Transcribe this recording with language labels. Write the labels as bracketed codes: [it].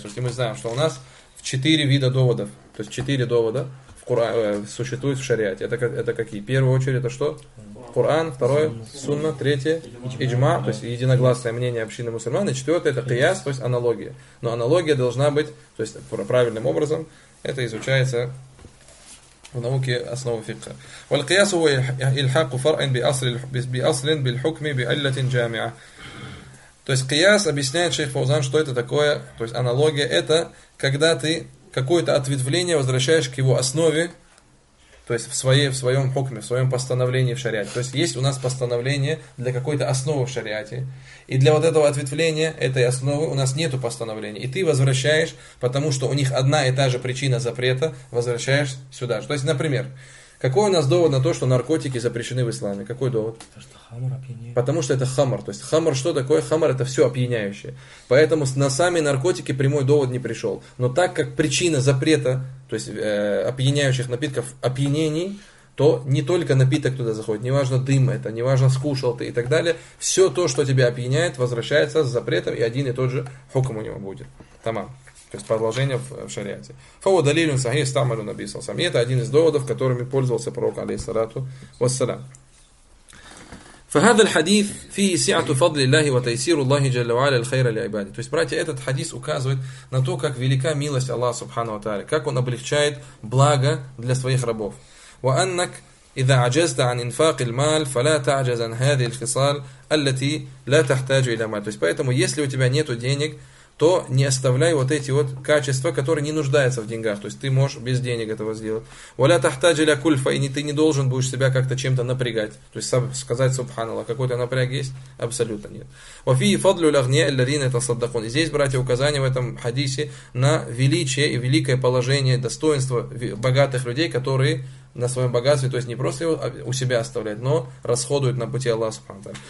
[ru] То есть мы знаем, что у нас в четыре вида доводов, то есть четыре довода в Куран, существует в шариате. Это какие? Первая очередь это что? Куран, второе сунна, третье иджма, то есть единогласное мнение общины мусульман, и четвертое это кияс, то есть аналогия. Но аналогия должна быть, то есть правильным образом, это изучается в науке основы фикха. [ar] والقياس هو الحاق فرع بأصل بأصل بالحكم بعلة جامعة. [ru] То есть кияс объясняет шейх Фаузан, что это такое, то есть аналогия это когда ты какое-то ответвление возвращаешь к его основе, то есть в своем хукме, в своем постановлении в шариате. То есть есть у нас постановление для какой-то основы в шариате, и для вот этого ответвления этой основы у нас нету постановления. И ты возвращаешь, потому что у них одна и та же причина запрета, возвращаешь сюда же. То есть, например, какой у нас довод на то, что наркотики запрещены в исламе? Какой довод? Потому что хамр опьяняющий. Потому что это хамр. То есть хамр что такое? Хамр это все опьяняющее. Поэтому на сами наркотики прямой довод не пришел. Но так как причина запрета, то есть опьяняющих напитков, опьянений, то не только напиток туда заходит, неважно дым это, неважно скушал ты и так далее, все то, что тебя опьяняет, возвращается с запретом, и один и тот же хукм у него будет. Тамам. То есть продолжение в шариате. [ar] Фау далилюн сахи стамалю [ru] написал сам. И это один из доводов, которыми пользовался пророк, алейхиссалату вассалям. [ar] فهذا الحديث فيه سعة فضل الله وتيسير الله جل وعلا الخير لعباده. [ru] То есть, братья, этот хадис указывает на то, как велика милость Аллаха Субхана ва Тааля, как он облегчает благо для своих рабов. [ar] وأنك إذا عجزت عن إنفاق المال فلا تعجز عن هذه الخصال التي لا تحتاج إلى مال. [ru] То есть, поэтому, если у тебя нету денег, то не оставляй вот эти вот качества, которые не нуждаются в деньгах. То есть ты можешь без денег этого сделать. [ar] Валя тахтаджи ля кульфа, [ru] и ты не должен будешь себя как-то чем-то напрягать. То есть сказать субханаллах, какой-то напряг есть? Абсолютно нет. [ar] Вафи и фадлю лагне эллярин это саддакун. [ru] Здесь, братья, указание в этом хадисе на величие и великое положение, достоинство богатых людей, которые на своем богатстве, то есть не просто его у себя оставлять, но расходуют на пути Аллаха Субхану Тааля.